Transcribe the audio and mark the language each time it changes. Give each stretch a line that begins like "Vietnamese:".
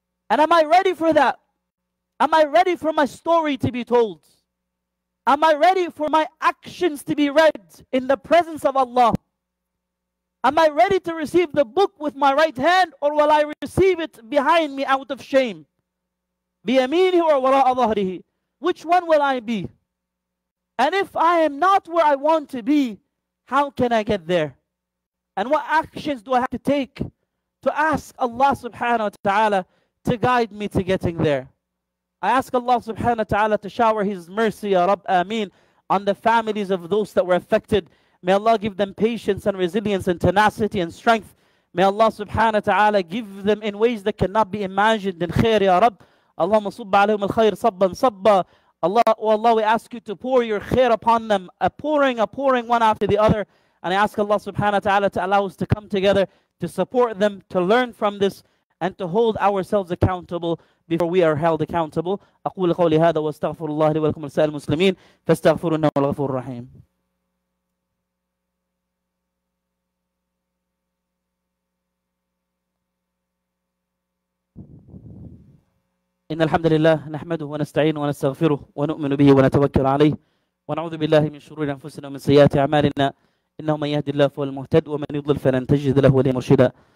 English: And am I ready for that? Am I ready for my story to be told? Am I ready for my actions to be read in the presence of Allah? Am I ready to receive the book with my right hand, or will I receive it behind me out of shame?
Arabic: بيمينه
English: or
Arabic: وراء ظهره.
English: Which one will I be? And if I am not where I want to be, how can I get there? And what actions do I have to take to ask Allah subhanahu wa ta'ala to guide me to getting there? I ask Allah subhanahu wa ta'ala to shower His mercy, ya Rab, ameen, on the families of those that were affected. May Allah give them patience and resilience and tenacity and strength. May Allah subhanahu wa ta'ala give them in ways that cannot be imagined in khair, ya Rab.
Arabic: Allahumma subba alayhum al-khair sabban sabba.
English: Allah, oh Allah, we ask you to pour your khair upon them, a pouring one after the other. And I ask Allah subhanahu wa ta'ala to allow us to come together, to support them, to learn from this, and to hold ourselves accountable before we are held accountable.
Arabic: أقول قولي هذا واستغفر الله لي ولكم ولسائر المسلمين فاستغفرونه الغفور الرحيم. إن الحمد لله نحمده ونستعينه ونستغفره ونؤمن به ونتوكل عليه ونعوذ بالله من شرور أنفسنا ومن سيئات أعمالنا إنه من يهدي الله فهو المهتد ومن يضلل فلن تجد له وليا مرشدا.